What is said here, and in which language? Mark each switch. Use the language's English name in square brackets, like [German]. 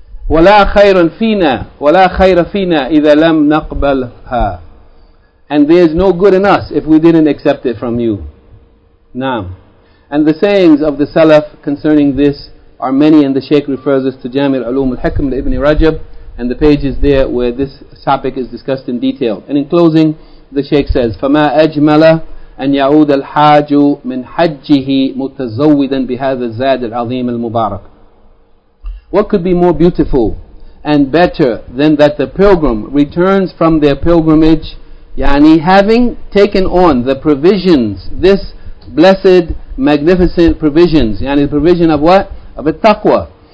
[Arabic] وَلَا خَيْرًا فِينَا وَلَا خَيْرَ فِينَا إِذَا لَمْ نَقْبَلْهَا. [English] And there is no good in us if we didn't accept it from you. Naam. And the sayings of the Salaf concerning this are many, and the Shaykh refers us to Jamil Ulum al-Hikm al-Ibn Rajab, and the page is there where this topic is discussed in detail. And in closing, the Shaykh says, [Arabic] فَمَا أَجْمَلَ أَنْ يَعُودَ الْحَاجُ مِنْ حَجِّهِ مُتَزَوِّدًا بِهَذَا الزَّادِ الْعَظِيمِ الْمُبَارَكِ. [English] What could be more beautiful and better than that the pilgrim returns from their pilgrimage, yani having taken on the provisions, this blessed, magnificent provisions, yani the provision of what? Of a taqwa.